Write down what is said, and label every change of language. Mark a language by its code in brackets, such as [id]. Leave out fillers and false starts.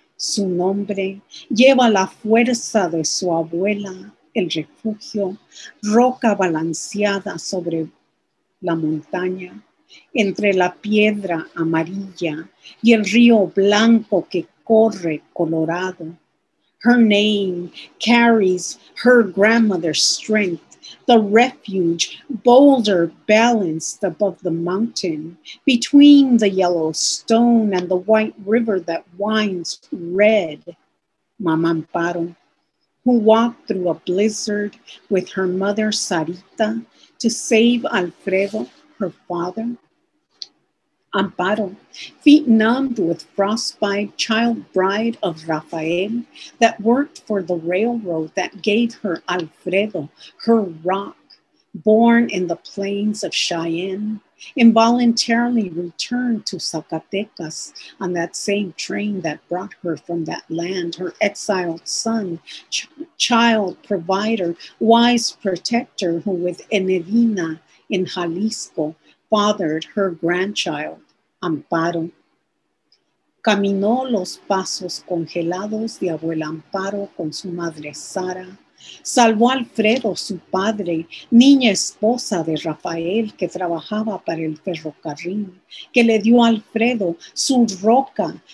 [es] Su nombre lleva la fuerza de su abuela, el refugio, roca balanceada sobre la montaña, entre la piedra amarilla y el río blanco que corre colorado. [en] Her name carries her grandmother's strength, the refuge, boulder balanced above the mountain, between the yellow stone and the white river that winds red. Mama Amparo, who walked through a blizzard with her mother Sarita to save Alfredo, her father. Amparo, feet numbed with frostbite, child bride of Rafael, that worked for the railroad that gave her Alfredo, her rock, born in the plains of Cheyenne, involuntarily returned to Zacatecas on that same train that brought her from that land, her exiled son, child provider, wise protector, who with Enedina in Jalisco fathered her grandchild. Amparo. [es] Caminó los pasos congelados de abuela Amparo con su madre Sara. Salvó a Alfredo, su padre, niña esposa de Rafael, que trabajaba para el ferrocarril, que le dio a Alfredo su roca.